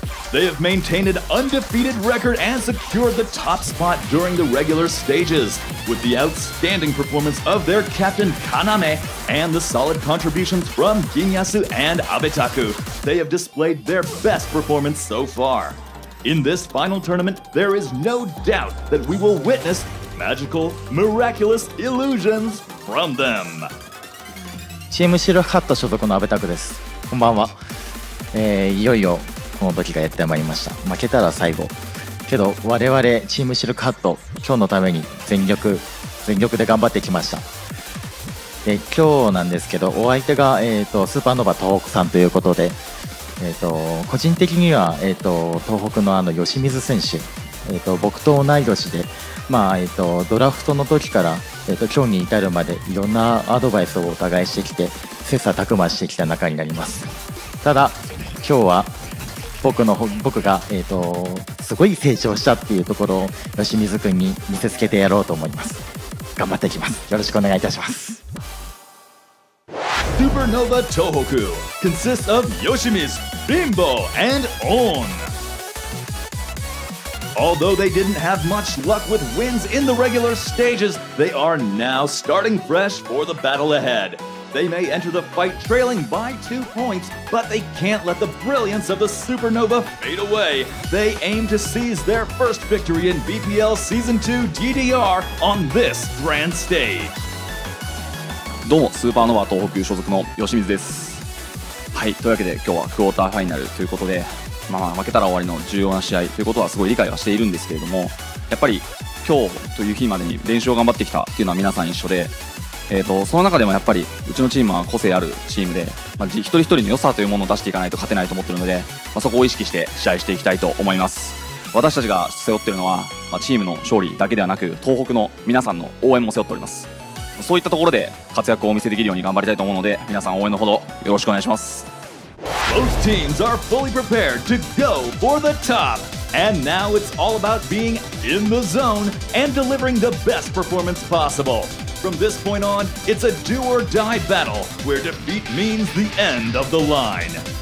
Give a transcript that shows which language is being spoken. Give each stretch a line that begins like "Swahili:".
English: They have maintained an undefeated record and secured the top spot during the regular stages, with the outstanding performance of their captain Kaname and the solid contributions from Ginyasu and Abetaku. They have displayed their best performance so far. In this final tournament, there is no doubt that we will witness magical, miraculous illusions from them.
Japanese: チームシルハット所属の阿部拓です。こんばんは。いよいよこの時がやってまいりました。負けたら最後。けど我々チームシルハット、今日のために全力で頑張ってきました。で今日なんですけど、お相手が、スーパーノヴァ東北さんということで、個人的には、東北のあの吉水選手、僕と同い年で、まあドラフトの時から、今日に至るまでいろんなアドバイスをお互いしてきて切磋琢磨してきた仲になります。ただ今日は僕が、すごい成長したっていうところを吉水くんに見せつけてやろうと思います。頑張っていきます。よろしくお願いいたします。
English: Supernova Tohoku consists of Yoshimizu, Bimbo, and On. Although they didn't have much luck with wins in the regular stages, they are now starting fresh for the battle ahead. They may enter the fight trailing by 2 points, but they can't let the brilliance of the Supernova fade away. They aim to seize their first victory in BPL Season 2 DDR on this grand stage.
Japanese: どうもスーパーノヴァ東北所属の吉水です。はい、というわけで今日はクォーターファイナルということで、まあ負けたら終わりの重要な試合ということはすごい理解はしているんですけれども、やっぱり今日という日までに練習を頑張ってきたっていうのは皆さん一緒で、その中でもやっぱりうちのチームは個性あるチームで、まあ、一人一人の良さというものを出していかないと勝てないと思っているので、そこを意識して試合していきたいと思います。私たちが背負っているのは、チームの勝利だけではなく東北の皆さんの応援も背負っております。そういったところで活躍をお見せできるように頑張りたいと思うので、皆さん応援のほどよろしくお願いします。
English: Both teams are fully prepared to go for the top. And now it's all about being in the zone and delivering the best performance possible. From this point on, it's a do or die battle where defeat means the end of the line.